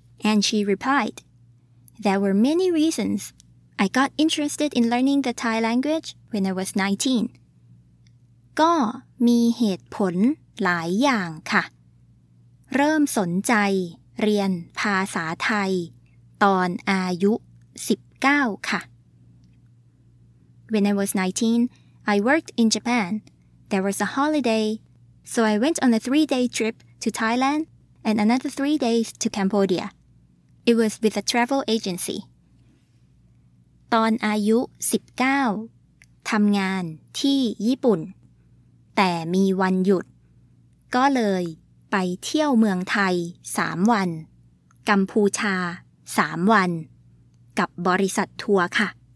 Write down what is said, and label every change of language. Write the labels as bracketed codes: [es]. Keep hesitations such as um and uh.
[en] And she replied There were many reasons I got interested in learning the Thai language when I was 19 [th] ก็มีเหตุผลหลายอย่างค่ะ เริ่มสนใจเรียนภาษาไทย ตอนอายุ 19 ค่ะ [en] When I was 19, I worked in Japan. There was a holiday, so I went on a three-day trip to Thailand and another three days to Cambodia. It was with a travel agency. [th] ตอนอายุ 19 ทำงานที่ญี่ปุ่น แต่มีวันหยุด ก็เลยไปเที่ยวเมืองไทย 3 วัน กัมพูชา 3 วัน กับบริษัททัวร์ค่ะ